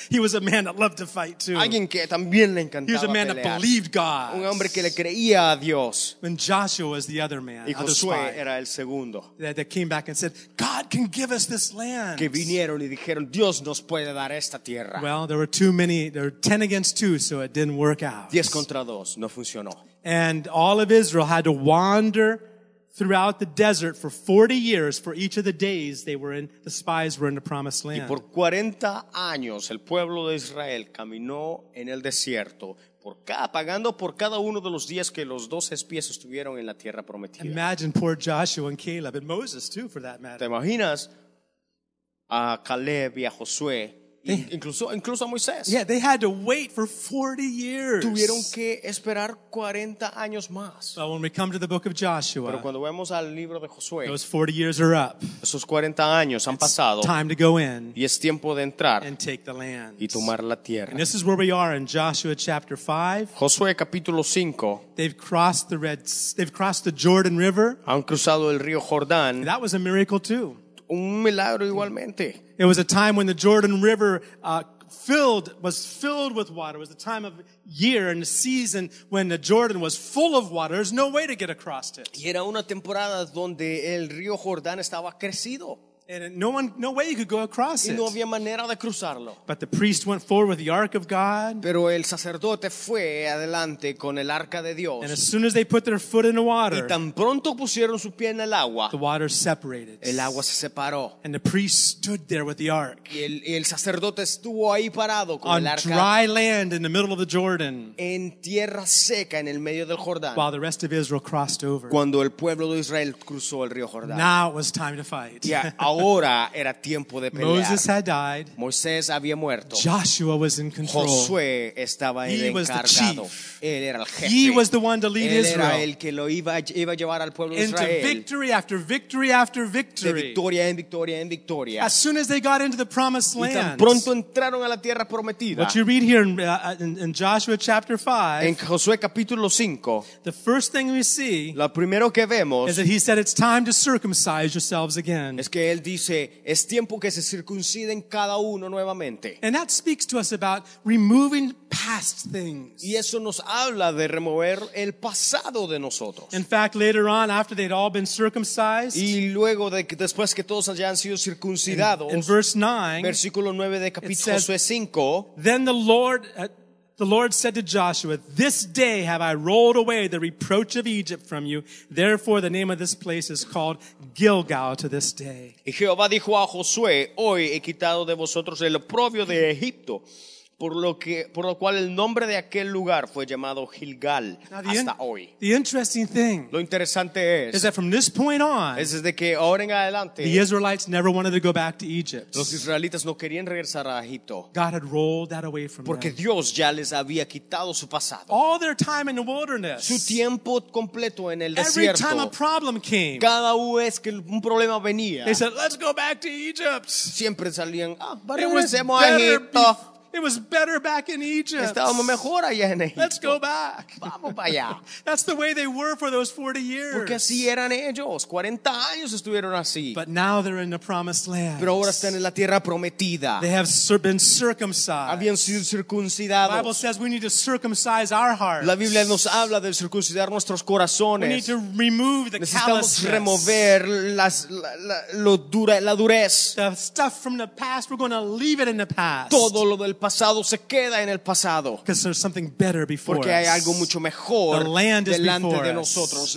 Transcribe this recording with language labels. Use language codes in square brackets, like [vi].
[en] He was a man that loved to fight too. [es] Alguien que también le encantaba [en] he was a man [es] pelear. [en] That believed God. [es] Un hombre que le creía a Dios. [en] And Joshua was the other man. [es] Y Josué [en] other spy, [es] era el segundo. [en] That came back and said, God can give us this land. [es] Que vinieron y dijeron, Dios nos puede dar esta tierra. [en] Well, there were too many. There were 10 against 2, so it didn't work out. [es] 10 contra 2, no funcionó. [en] And all of Israel had to wander throughout the desert for 40 years for each of the days they were in the spies were in the promised land. [es] Y por 40 años el pueblo de Israel caminó en el desierto pagando por cada uno de los días que los dos espías estuvieron en la tierra prometida. [en] Imagine poor Joshua and Caleb and Moses too for that matter. [es] ¿Te imaginas a Caleb y a Josué incluso a Moisés? [en] Yeah, they had to wait for 40 years. [es] Tuvieron que esperar 40 años más. [en] But when we come to the book of Joshua, [es] pero cuando vemos al libro de Josué, [en] those 40 years are up. [es] Esos 40 años han pasado. [en] Time to go in. [es] Y es tiempo de entrar. [en] And take the land. [es] Y tomar la tierra. [en] And this is where we are in Joshua chapter 5. [es] Josué capítulo 5. [en] They've crossed the Jordan River. [es] Han cruzado el río Jordán. [en] That was a miracle too. [es] Un milagro igualmente. [en] It was a time when the Jordan River was filled with water. It was the time of year and the season when the Jordan was full of water. There's no way to get across it. [es] Y era una temporada donde el río Jordán estaba crecido. [en] And no way you could go across it. [es] Y no había manera de cruzarlo. [en] But the priest went forward with the ark of God. [es] Pero el sacerdote fue adelante con el arca de Dios. [en] And as soon as they put their foot in the water, [es] y tan pronto pusieron su pie en el agua, [en] the water separated. [es] El agua se separó. [en] And the priest stood there with the ark. [es] Y el sacerdote estuvo ahí parado con [en] on [es] el arca. [en] On dry land in the middle of the Jordan. [es] En tierra seca en el medio del Jordán. [en] While the rest of Israel crossed over. [es] Cuando el pueblo de Israel cruzó el río Jordán. [en] Now it was time to fight. [es] Yeah. Ahora era tiempo de pelear. [en] Moses had died. [es] Moisés había muerto. [en] Joshua was in control. [es] Josué estaba [en] he [es] el encargado. Él era el jefe. [en] He was the one to lead [es] él era [en] Israel. [es] El que lo iba a llevar al pueblo de [en] into [es] Israel. [en] Into victory after victory after victory. [es] De victoria en victoria en victoria. [en] As soon as they got into the promised land. [es] Y tan pronto entraron a la tierra prometida. [en] What you read here in Joshua chapter 5. [es] En Josué capítulo 5. [en] The first thing we see. [es] Lo primero que vemos. [en] Is that he said it's time to circumcise yourselves again. [es] Es que él dice es tiempo que se circunciden cada uno nuevamente. [en] And that speaks to us about removing past things. [es] Y eso nos habla de remover el pasado de nosotros. [en] In fact, later on, after they'd all been circumcised, [es] y luego de que, después que todos hayan sido circuncidados, [en] in verse 9, [es] versículo 9 de capítulo [en] it says, [es] Josué 5, [en] then the Lord said to Joshua, this day have I rolled away the reproach of Egypt from you. Therefore, the name of this place is called Gilgal to this day. [es] Y Jehová dijo a Josué, hoy he quitado de vosotros el oprobio de Egipto, por lo cual el nombre de aquel lugar fue llamado Gilgal hasta hoy. [en] The interesting thing [es] lo interesante es, [en] is that from this point on, [es] es desde que ahora en adelante, [en] the Israelites never wanted to go back to Egypt. [es] Los israelitas no querían regresar a Egipto. [en] God had rolled that away from [es] porque [en] them. [es] Dios ya les había quitado su pasado. [en] All their time in the wilderness. [es] Su tiempo completo en el [en] every [es] desierto. [en] Every time a problem came. [es] Cada vez que un problema venía. [en] They said, let's go back to Egypt. [es] Siempre salían, regresemos a Egipto. [en] It was better back in Egypt. [es] Estábamos mejor allá en Egipto. [en] Let's go back. [es] Vamos para allá. [en] That's the way they were for those 40 years. [es] Porque así eran ellos. 40 años estuvieron así. [en] But now they're in the promised land. [es] Pero ahora están en la tierra prometida. [en] They have been circumcised. [es] Habían sido circuncidados. [en] The Bible says we need to circumcise our hearts. [es] La Biblia nos habla de circuncidar nuestros corazones. [en] We need to remove the [es] callousness. Necesitamos remover la dureza. [en] The stuff from the past, we're going to leave it in the past. [es] Todo lo el pasado se queda en el pasado. [en] Because there's something better before [es] porque hay algo mucho mejor delante de nosotros.